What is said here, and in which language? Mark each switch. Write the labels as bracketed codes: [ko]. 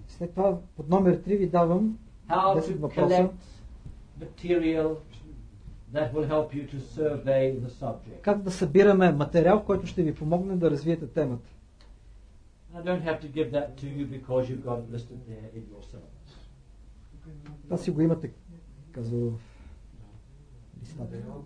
[bg] След това под номер 3 ви давам 10 въпроса. [en] Material that will help you to survey the subject. [bg] Как да събираме материал, който ще ви помогне да развиете темата. [en] I don't have to give that to you because you've got it listed there in your syllabus. [bg] Това си го имате казал в листата.